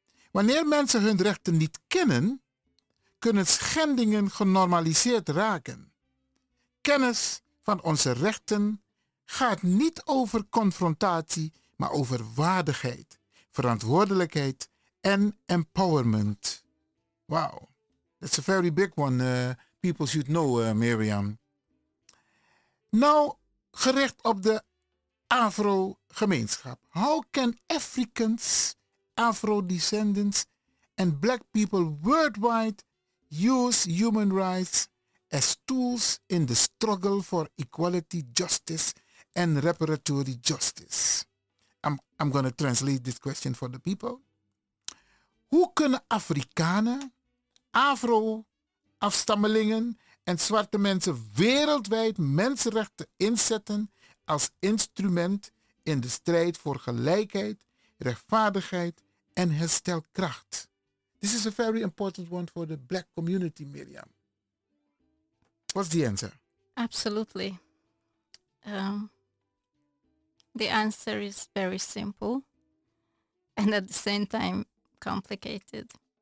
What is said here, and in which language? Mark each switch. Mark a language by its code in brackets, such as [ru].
[nl] Wanneer mensen hun rechten niet kennen, kunnen schendingen genormaliseerd raken. Kennis van onze rechten gaat niet over confrontatie, maar over waardigheid, verantwoordelijkheid en empowerment. [en] Wow, that's a very big one, people should know, Mirjam. [nl] Nou, gericht op de Afro-gemeenschap. [en] How can Africans, Afro-descendants and black people worldwide use human rights as tools in the struggle for equality, justice and reparatory justice? I'm going to translate this question for the people. [nl] Hoe kunnen Afrikanen, Afro-afstammelingen en zwarte mensen wereldwijd mensenrechten inzetten als instrument in de strijd voor gelijkheid, rechtvaardigheid en herstelkracht? [en] This is a very important one for the black community, Mirjam. What's the answer? Absolutely. The answer is very simple and at the same time complicated.